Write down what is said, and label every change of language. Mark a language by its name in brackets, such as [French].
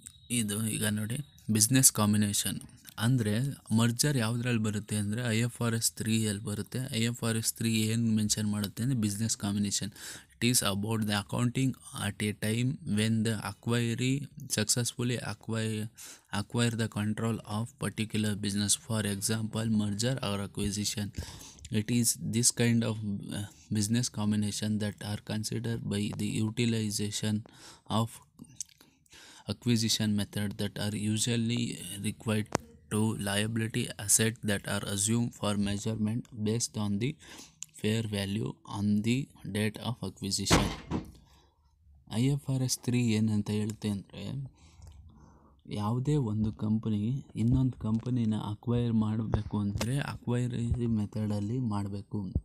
[Kannada] ಇದು ಈಗ ನೋಡಿ, ಬಿಸ್ನೆಸ್ ಕಾಂಬಿನೇಷನ್ ಅಂದರೆ ಮರ್ಜರ್ ಯಾವುದ್ರಲ್ಲಿ ಬರುತ್ತೆ ಅಂದರೆ IFRS 3 ಬರುತ್ತೆ. IFRS 3 ಏನು ಮೆನ್ಷನ್ ಮಾಡುತ್ತೆ ಅಂದರೆ [English] Business combination it is about the accounting at a time when the acquiree successfully acquire the control of particular business, for example merger or acquisition. It is this kind of business combination that are considered by the utilisation of acquisition method that are usually required to liability assets that are assumed for measurement based on the fair value on the date of acquisition. [Kannada] IFRS 3 ಏನಂತ ಹೇಳುತ್ತೆ ಅಂದರೆ ಯಾವುದೇ ಒಂದು company ಇನ್ನೊಂದು ಕಂಪನಿನ acquire ಮಾಡಬೇಕು ಅಂದರೆ ಅಕ್ವೈರಿ ಮೆಥಡಲ್ಲಿ ಮಾಡಬೇಕು.